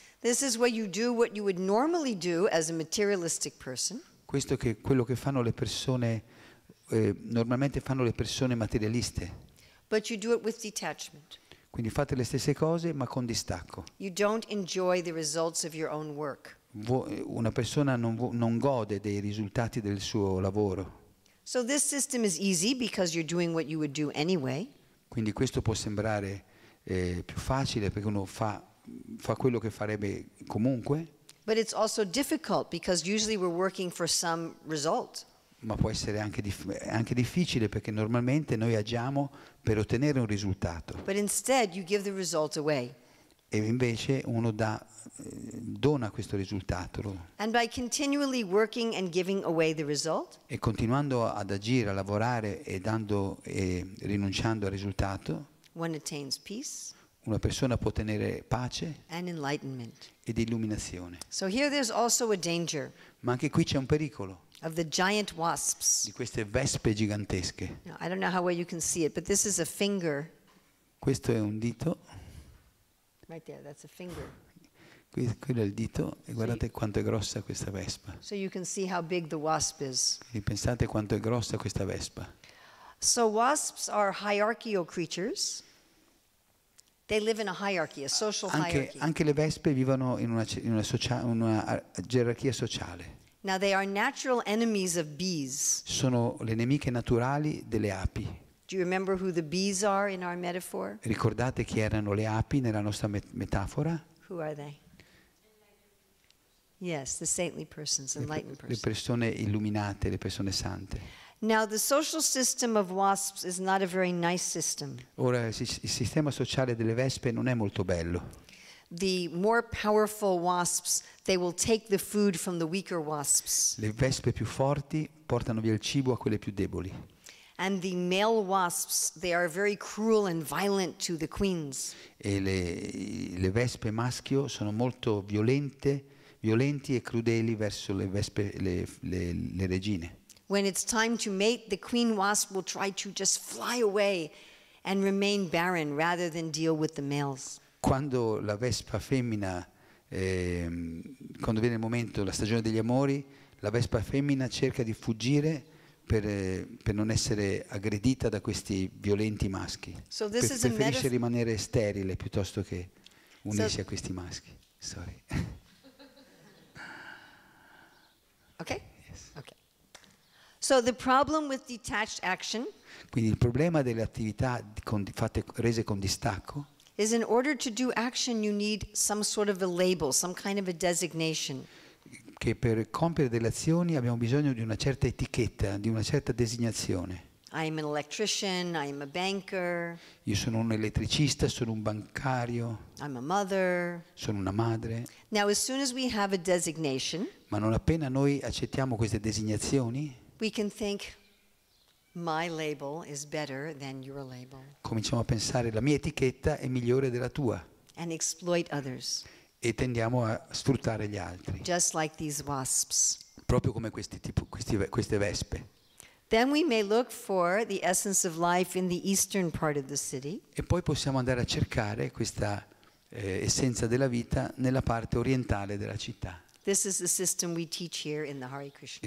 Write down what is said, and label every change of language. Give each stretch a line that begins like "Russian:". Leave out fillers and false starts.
English: This is where you do what you would normally do as a materialistic person.
Italian: Questo è quello che fanno le persone normalmente fanno le persone materialiste.
English: But you do it with detachment.
Italian: Quindi fate le stesse cose ma con distacco.
English: You don't enjoy the results of your own work.
Italian: Una persona non gode dei risultati del suo lavoro.
English: So this system is easy because you're doing what you would do anyway.
Italian: Quindi questo può sembrare più facile perché uno fa quello che farebbe comunque.
English: But it's also difficult because usually we're working for some result.
Italian: Ma può essere anche difficile perché normalmente noi agiamo per ottenere un risultato.
English: But instead you give the result away.
Italian: E invece uno dona questo risultato.
English: And by continually working and giving away the result,
Italian: e continuando ad agire, a lavorare e dando e rinunciando al risultato,
English: one attains peace.
Italian: Una persona può ottenere pace ed illuminazione.
English: So here there's also a danger.
Italian: Ma anche qui c'è un pericolo.
English: Of the giant wasps.
Italian: Di queste vespe gigantesche.
English: Now, I don't know how well you can see it, but this is a finger.
Italian: Questo è un dito.
English: Right there, that's a finger.
Italian: Quello è il dito e guardate quanto è grossa questa vespa.
English: So you can see how big the wasp is.
Italian: E pensate quanto è grossa questa vespa.
English: So wasps are hierarchical creatures. They live in a hierarchy, a social
Italian: anche,
English: hierarchy.
Italian: Anche le vespe vivono in una gerarchia sociale.
English: Now they are natural enemies of bees.
Italian: Sono le nemiche naturali delle api.
English: Do you remember who the bees are in our metaphor?
Italian: Ricordate chi erano le api nella nostra metafora?
English: Who are they? Yes, the saintly persons, enlightened persons.
Italian: Le persone illuminate, le persone sante.
English: Now the social system of wasps is not a very nice system.
Italian: Ora il sistema sociale delle vespe non è molto bello.
English: The more powerful wasps, they will take the food from the weaker wasps.
Italian: Le vespe più forti portano via il cibo a quelle più deboli.
English: And the male wasps, they are very cruel and violent to the queens.
Italian: E le vespe maschio sono molto violenti e crudeli verso le vespe le regine.
English: When it's time to mate, the queen wasp will try to just fly away and remain barren rather than deal with the males.
Italian: Quando la vespa femmina quando viene il momento, la stagione degli amori, la vespa femmina cerca di fuggire per non essere aggredita da questi violenti maschi.
English: So this is a
Italian: preferisce rimanere sterile piuttosto che unirsi a questi maschi.
English: Sorry. Okay? So the problem with detached action.
Italian: Quindi il problema delle attività rese con distacco.
English: Is in order to do action, you need some sort of a label, some kind of a designation.
Italian: Che per compiere delle azioni abbiamo bisogno di una certa etichetta, di una certa designazione.
English: I am an electrician. I am a banker.
Italian: Io sono un elettricista. Sono un bancario.
English: I'm a mother.
Italian: Sono una madre.
English: Now, as soon as we have a designation.
Italian: Ma non appena noi accettiamo queste designazioni.
English: We can think my label is better than your label.
Italian: Cominciamo a pensare la mia etichetta è migliore della tua.
English: And exploit others.
Italian: E tendiamo a sfruttare gli altri.
English: Just like these wasps.
Italian: Proprio come queste vespe.
English: Then we may look for the essence of life in the eastern part of the city.
Italian: E poi possiamo andare a cercare questa essenza della vita nella parte orientale della città.
English: This is the system we teach here in the Hare Krishna.